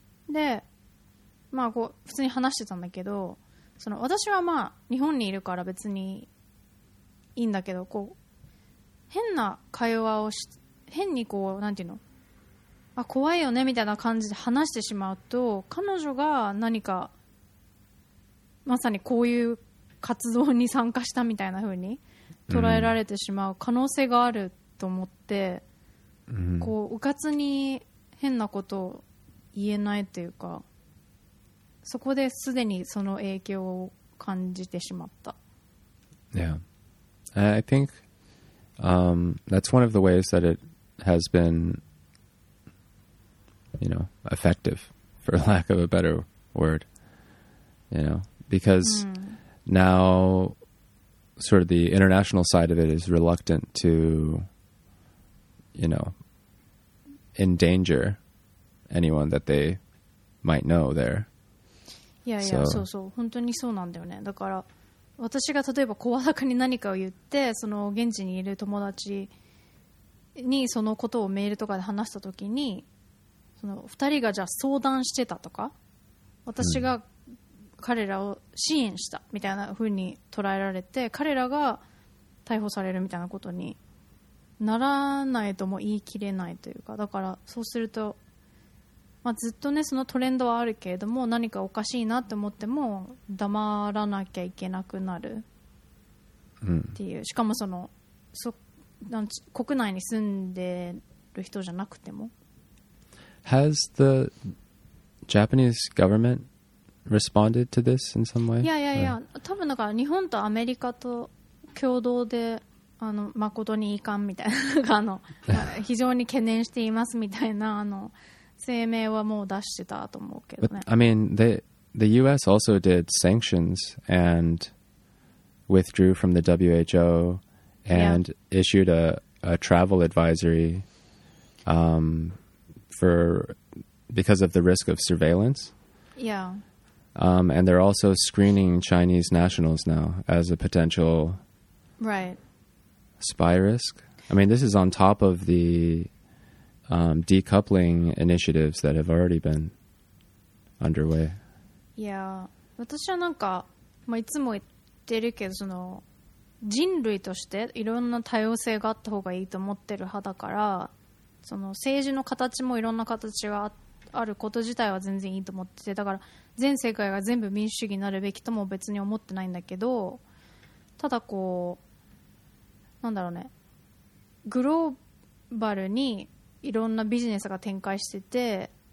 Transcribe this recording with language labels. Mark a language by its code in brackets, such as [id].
[ja] で、まあ、こう普通に話してたんだけど、その私はまあ日本にいるから別にいいんだけど、こう変な会話をし変にこうなんていうの、あ、怖いよねみたいな感じで話してしまうと、彼女が何かまさにこういう活動に参加したみたいな風に捉えられてしまう可能性があると思って、うん、こう、うかつに変なことを言えないというか、そこですでにその影響を感じてしまった。 [en] Yeah. I think that's one of the ways that it has been, you know, effective, for lack of a better word. You know, because now sort of the international side of it is reluctant to, you know, endanger anyone that they might know there. [ja] いやいや、そうそう、本当にそうなんだよね。だから私が例えば声高に何かを言って、その現地にいる友達にそのことをメールとかで話したときに、その2人がじゃあ相談してたとか、私が彼らを支援したみたいな風に捉えられて、彼らが逮捕されるみたいなことにならないとも言い切れないというか、だからそうすると、まあ、ずっとねそのトレンドはあるけれども、何かおかしいなって思っても黙らなきゃいけなくなるっていう、うん、しかもそのそなん国内に住んでる人じゃなくても。 [en] Has the Japanese government responded to this in some way? [ja] いやいやいや、多分だから日本とアメリカと共同で、あの、誠に遺憾みたいなあの非常に懸念していますみたいな、あの声明はもう出してたと思うけどね。 [en] But, I mean, the U.S. also did sanctions and withdrew from the WHO and issued a travel advisory for because of the risk of surveillance. Yeah. And they're also screening Chinese nationals now as a potential spy risk. I mean, this is on top of the decoupling initiatives that have already been underway. Yeah. [ja] 私はなんか、まあ、いつも言ってるけど、その人類としていろんな多様性があった方がいいと思ってる派だから、その政治の形もいろんな形が あること自体は全然いいと思ってて、だから全世界が全部民主主義になるべきとも別に思ってないんだけど、ただこうなんだろうね、グローバルにいろんなビジネスが展開してて